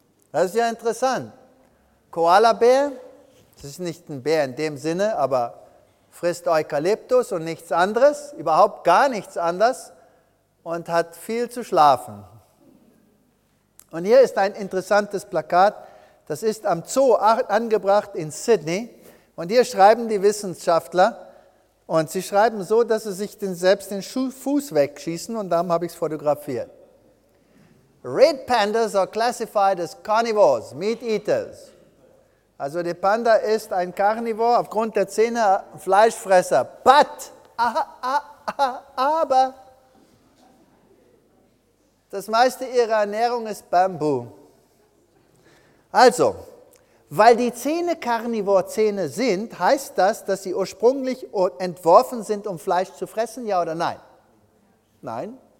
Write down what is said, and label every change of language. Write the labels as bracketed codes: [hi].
[de] Das ist ja interessant. Koala-Bär, das ist nicht ein Bär in dem Sinne, aber frisst Eukalyptus und nichts anderes, überhaupt gar nichts anderes und hat viel zu schlafen. Und hier ist ein interessantes Plakat, das ist am Zoo angebracht in Sydney. Und hier schreiben die Wissenschaftler, Und sie schreiben so, dass sie sich selbst den Fuß wegschießen, und darum habe ich es fotografiert. [en] Red pandas are classified as carnivores, meat eaters. [de] Also der Panda ist ein Carnivore aufgrund der Zähne, Fleischfresser. [en] But, [de] aber, das meiste ihrer Ernährung ist Bamboo. Also, weil die Zähne Carnivore-Zähne sind, heißt das, dass sie ursprünglich entworfen sind, um Fleisch zu fressen, ja oder nein? Nein.